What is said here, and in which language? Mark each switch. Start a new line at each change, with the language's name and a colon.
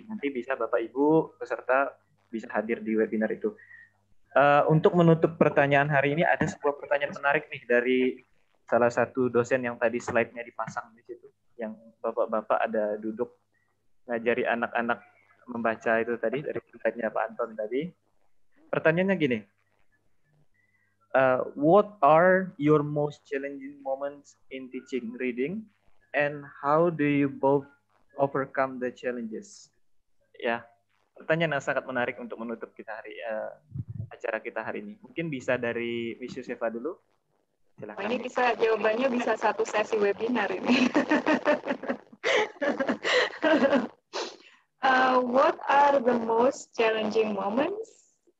Indonesian: Nanti bisa Bapak Ibu peserta bisa hadir di webinar itu. Untuk menutup pertanyaan hari ini, ada sebuah pertanyaan menarik nih dari salah satu dosen yang tadi slide-nya dipasang di situ, yang bapak-bapak ada duduk ngajari anak-anak membaca itu tadi, dari slide-nya Pak Anton tadi. Pertanyaannya gini,
English: what are your most challenging moments in teaching reading and how do you both overcome the challenges?
Indonesian: Ya, pertanyaan yang sangat menarik untuk menutup kita hari acara kita hari ini. Mungkin bisa dari Miss Yosefa dulu. Silakan. Ini bisa jawabannya bisa satu sesi webinar ini.
English: what are the most challenging moments?